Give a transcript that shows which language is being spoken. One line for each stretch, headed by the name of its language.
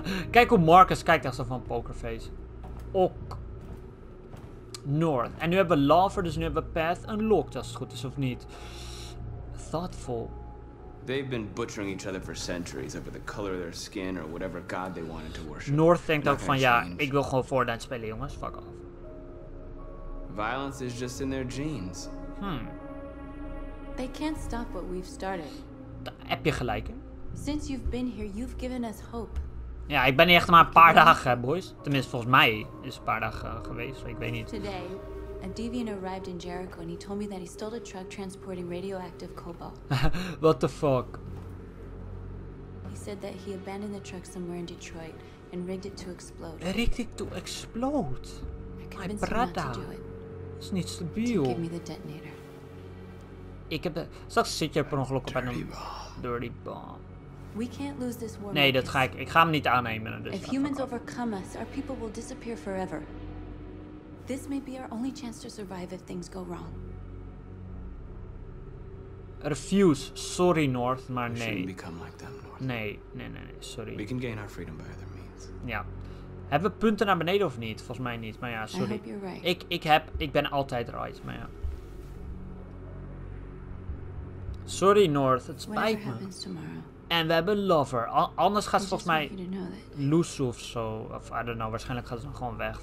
Dutch: Kijk hoe Marcus kijkt echt zo van pokerface. Ook North. En nu hebben we Lover, dus nu hebben we Path unlocked, als het goed is of niet.
English: Thoughtful. They've been butchering each other for centuries over the color of their skin or whatever god they wanted to worship.
Dutch: North denkt ook van ja, ik wil gewoon Fortnite spelen, jongens.
English: Fuck off. Violence is just in their genes. They can't stop what we've started.
Dutch: Heb je gelijk, hè?
English: Since you've been here, you've given us hope.
Dutch: Ja, ik ben hier echt maar een paar dagen, boys. Tenminste, volgens mij is het een paar dagen geweest, ik weet niet.
English: Today, a deviant arrived in Jericho and he told me that he stole a truck transporting radioactive cobalt. What the fuck? He said that he abandoned the truck somewhere in Detroit and rigged it to explode. Rigged it to explode? My brada.
Dutch: Is niet stabiel.
English: Give me the detonator.
Dutch: Ik heb de... Straks zit je per ongeluk op een dirty bomb.
English: We can't lose this war.
Dutch: Nee, dat ga ik. Ik ga hem niet aannemen. Dus
English: if humans overcome us, our people will disappear forever. This may be our only chance to survive if things go wrong.
Dutch: Refuse. Sorry, North, maar nee.
English: We shouldn't become like them, North.
Dutch: Nee, sorry.
English: We can gain our freedom by other means.
Dutch: Ja. Hebben we punten naar beneden of niet? Volgens mij niet, maar ja, sorry.
English: I hope you're right.
Dutch: Ik ben altijd right, maar ja. Sorry, North, het spijt me. En we hebben Lover. Anders gaat ze volgens mij loose of zo. Of
English: I don't know,
Dutch: waarschijnlijk gaat ze dan gewoon weg.